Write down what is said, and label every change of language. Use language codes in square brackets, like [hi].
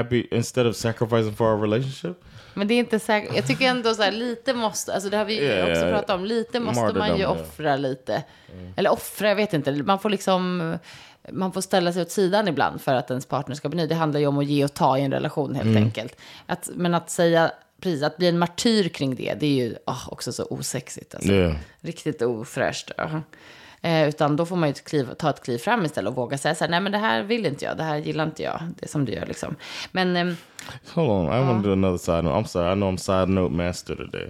[en] Instead of sacrificing for our relationship? [sv] Men det är inte säkert. Jag tycker ändå så här, lite måste, alltså det har vi ju också pratat om, lite måste martyrdom, man ju offra lite. Eller offra, jag vet inte. Man får liksom, man får ställa sig åt sidan ibland för att ens partner ska bli nöjd. Det handlar ju om att ge och ta i en relation helt enkelt. Att säga... Precis, att bli en martyr kring det, det är ju också så osexigt. Alltså. [en] Yeah. [sv] Riktigt ofräscht. Utan då får man ju ta ett kliv fram istället och våga säga så här, nej men det här vill inte jag, det här gillar inte jag, det som du gör liksom. Men, [en] hold on, I want to do another side note. I'm sorry, I know I'm side note master today.